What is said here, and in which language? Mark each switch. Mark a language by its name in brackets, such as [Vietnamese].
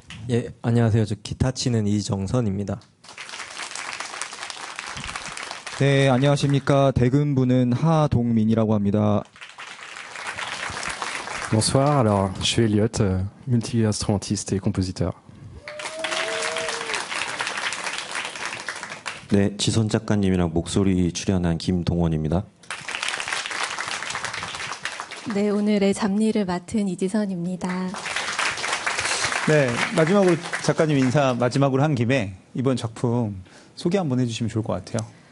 [Korean] 예, 안녕하세요. 저 기타 치는 이정선입니다. 네, 안녕하십니까. 대금부는 하동민이라고 합니다. [French] Bonsoir. Alors, je suis Elliot, multi-instrumentiste et compositeur. [Korean] 네, 지선 작가님이랑 목소리 출연한 김동원입니다. 네, 오늘의 잡니를 맡은 이지선입니다. 네, 마지막으로 작가님 인사 마지막으로 한 김에 이번 작품 소개 한번 해주시면 좋을 것 같아요.